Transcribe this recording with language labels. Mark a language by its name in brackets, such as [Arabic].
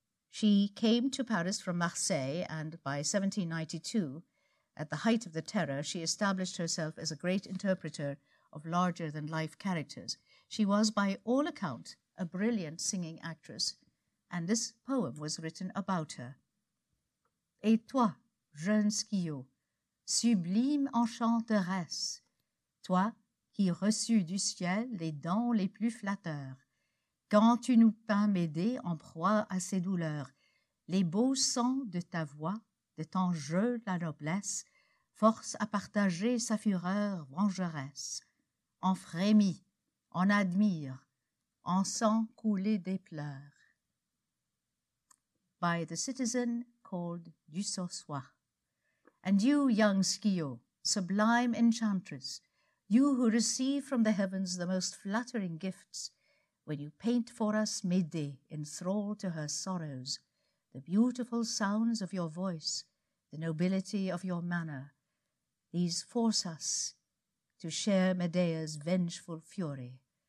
[English] She came to Paris from Marseille, and by 1792, at the height of the Terror, she established herself as a great interpreter of larger-than-life characters. She was, by all account, a brilliant singing actress, and this poem was written about her. [French] Et toi, jeune Sciot, sublime enchanteresse, toi qui reçus du ciel les dons les plus flatteurs, quand tu nous peins Médée en proie à ses douleurs, les beaux sons de ta voix, de ton jeu la noblesse, force à partager sa fureur vengeresse, en frémis, en admire, en sang couler des pleurs. [English] By the citizen called Du Saussois. And you, young Sciot, sublime enchantress, you who receive from the heavens the most flattering gifts, when you paint for us Médée enthralled to her sorrows, the beautiful sounds of your voice, the nobility of your manner, these force us to share Medea's vengeful fury.